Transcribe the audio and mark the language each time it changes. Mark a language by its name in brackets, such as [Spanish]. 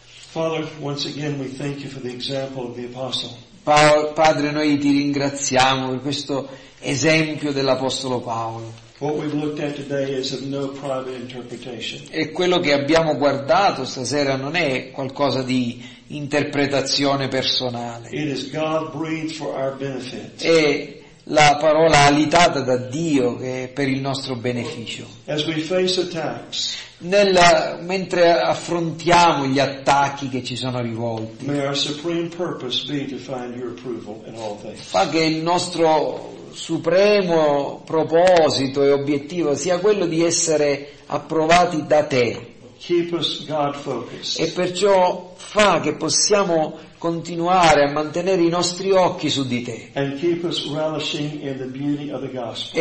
[English] Father, once again we thank you for the example of the apostle. [Italian] Padre, noi ti ringraziamo per questo esempio dell'apostolo Paolo. [English] What we've looked at today is of no private interpretation. [Italian] E quello che abbiamo guardato stasera non è qualcosa di interpretazione personale. [English] It is God breathed for our benefit. [Italian] È la parola alitata da Dio che è per il nostro beneficio. [English] As we face attacks, [Italian] mentre affrontiamo gli attacchi che ci sono rivolti, [English] may our supreme purpose be to find your approval in all things. [Italian] Fa che il nostro supremo proposito e obiettivo sia quello di essere approvati da te. [English] Keep us God focused. [Italian] E perciò fa che possiamo continuare a mantenere i nostri occhi su di te. [English] And keep us relishing in the beauty of the gospel.